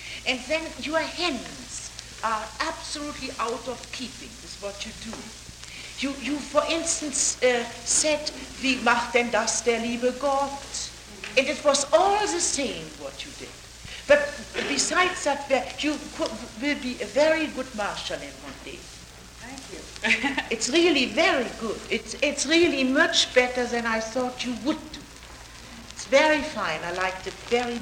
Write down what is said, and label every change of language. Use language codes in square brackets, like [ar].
[en] And then your hands are absolutely out of keeping with what you do. You for instance, said, [de] wie macht denn das der liebe Gott? [en] And it was all the same what you did. But besides that, you will be a very good marshal in one day. Thank you. It's really very good. It's really much better than I thought you would. Very fine. I liked it very much.